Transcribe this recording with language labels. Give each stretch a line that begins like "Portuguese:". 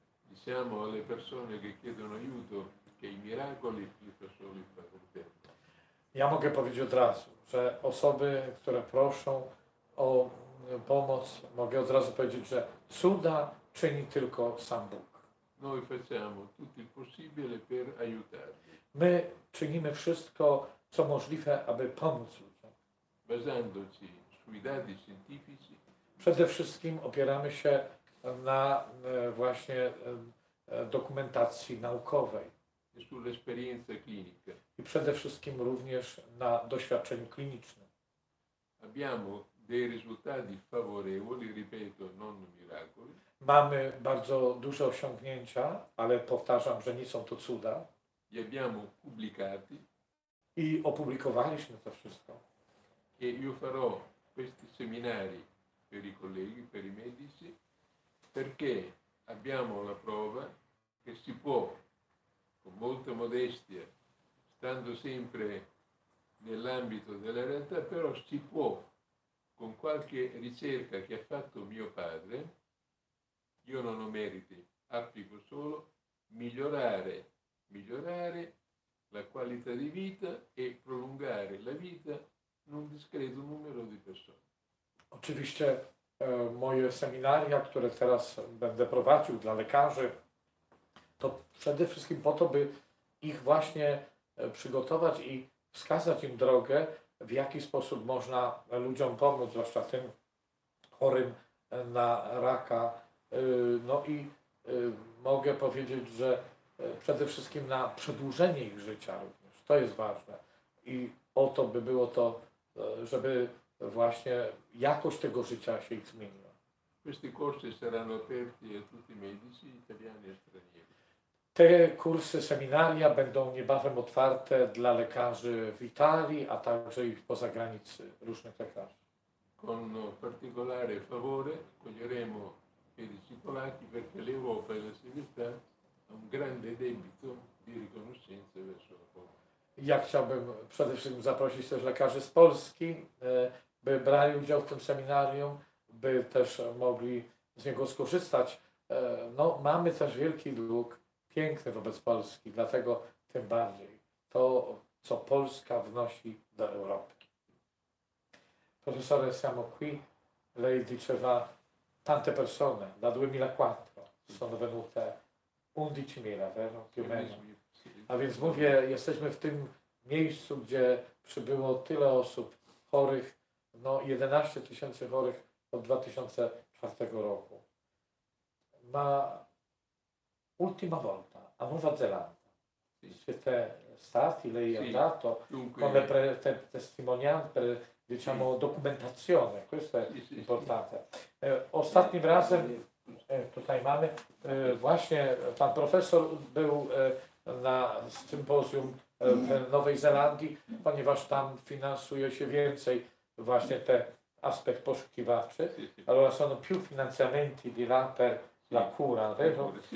Italian: Diciamo alle persone che chiedono aiuto che i miracoli più da soli.
Polish: Ja mogę powiedzieć od razu, że osoby, które proszą o pomoc, mogę od razu powiedzieć, że cuda czyni tylko sam Bóg.
Italian: Noi facciamo tutto il possibile per aiutarvi.
Polish: My czynimy wszystko, co możliwe, aby pomóc ludziom.
Italian: Basandoci sui dati scientifici.
Polish: Przede wszystkim opieramy się na właśnie dokumentacji naukowej.
Italian: Sull'esperienza clinica.
Polish: I przede wszystkim również na doświadczeniu klinicznym.
Italian: Abbiamo dei risultati favorevoli, ripeto, non miracoli.
Polish: Mamy bardzo duże osiągnięcia, ale powtarzam, że nie są to cuda.
Italian: Li abbiamo pubblicati.
Polish: I opublikowaliśmy to wszystko.
Italian: E io farò questi seminari per i colleghi, per i medici, perché abbiamo la prova che si può, con molta modestia, stando sempre nell'ambito della realtà, però si può con qualche ricerca che ha fatto mio padre, io non ho meriti, applico solo migliorare la qualità di vita e prolungare la vita in un discreto numero di persone.
Polish: Oczywiście moje seminaria, które teraz będę prowadził dla lekarzy, to przede wszystkim po to, by ich właśnie przygotować i wskazać im drogę, w jaki sposób można ludziom pomóc, zwłaszcza tym chorym na raka. No i mogę powiedzieć, że przede wszystkim na przedłużenie ich życia również. To jest ważne. I o to by było to, żeby właśnie jakość tego życia się ich zmieniła.
Italian: Questi corsi saranno aperti a tutti i medici italiani e stranieri.
Polish: Te kursy, seminaria będą niebawem otwarte dla lekarzy w Italii, a także i poza granicy różnych lekarzy.
Italian: Con particolare favore coglieremo medici polacchi perché l'Europa e la civiltà ha un grande debito di riconoscenza verso la Polonia.
Polish: Ja chciałbym przede wszystkim zaprosić też lekarzy z Polski, by brali udział w tym seminarium, by też mogli z niego skorzystać. No, mamy też wielki dług, piękny wobec Polski, dlatego tym bardziej to, co Polska wnosi do Europy.
Italian: Profesore, siamo qui, lei diceva tante persone, da 2004 sono venute 11.000, vero? Più o meno.
Polish: A więc mówię, jesteśmy w tym miejscu, gdzie przybyło tyle osób chorych, no 11 tysięcy chorych od 2004 roku.
Italian: Ma ultima volta, a Nuova Zelanda. Siete stati, lei ha dato come testimonianza, per diciamo documentazione, questo è importante.
Polish: Ostatnim razem, tutaj mamy, właśnie pan profesor był na sympozjum w Nowej Zelandii, ponieważ tam finansuje się więcej właśnie ten aspekt poszukiwawczy.
Italian: Allora sono più finanziamenti di là per la cura, vero?